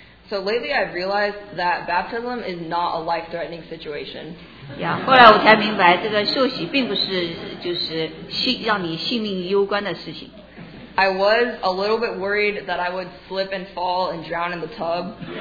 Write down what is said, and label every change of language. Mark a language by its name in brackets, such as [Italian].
[English] So lately I've realized that baptism is not a life-threatening situation. [Chinese] Yeah, 后来我才明白这个受洗并不是就是让你性命攸关的事情。 [English] I was a little bit worried that I would slip and fall and drown in the tub.